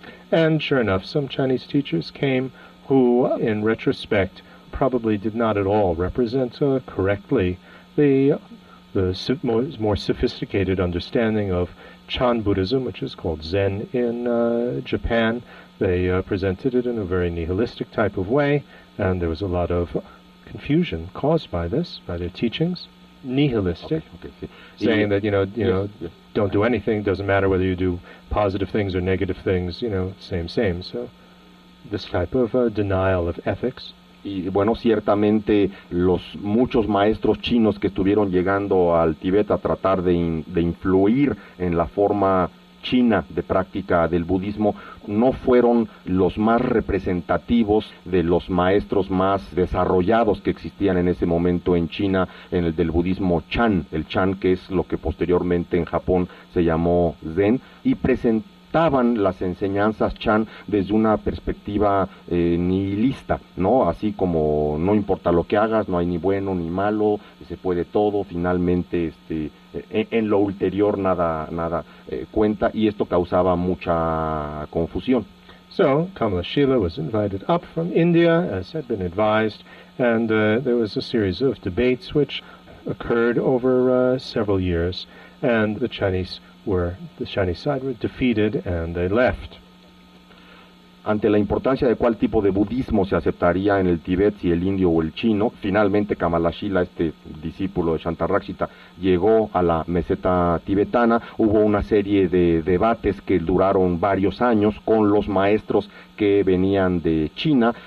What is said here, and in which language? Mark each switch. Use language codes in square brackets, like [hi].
[en] And sure enough, some Chinese teachers came who, in retrospect, probably did not at all represent correctly the more sophisticated understanding of Chan Buddhism, which is called Zen in Japan. They presented it in a very nihilistic type of way, and there was a lot of confusion caused by this, by their teachings. Nihilistic, saying that, don't do anything, doesn't matter whether you do positive things or negative things, same. So this type of denial of ethics. [es] Y bueno, ciertamente los muchos maestros chinos que estuvieron llegando al Tíbet a tratar de influir en la forma china de práctica del budismo no fueron los más representativos de los maestros más desarrollados que existían en ese momento en China, en el del budismo Chan, el Chan que es lo que posteriormente en Japón se llamó Zen, y presentaban las enseñanzas Chan desde una perspectiva nihilista, ¿no? Así como no importa lo que hagas, no hay ni bueno ni malo, se puede todo, finalmente en lo ulterior nada cuenta, y esto causaba mucha confusión. So, Kamala Shila was invited up from India, as had been advised, and there was a series of debates which occurred over several years, and the Chinese side were defeated and they left. Ante la importancia de cuál tipo de budismo se aceptaría en el Tíbet, si el indio o el chino, finalmente Kamala Shila, este discípulo de Shantarakshita, llegó a la meseta tibetana. Hubo una serie de debates que duraron varios años con los maestros que venían de China.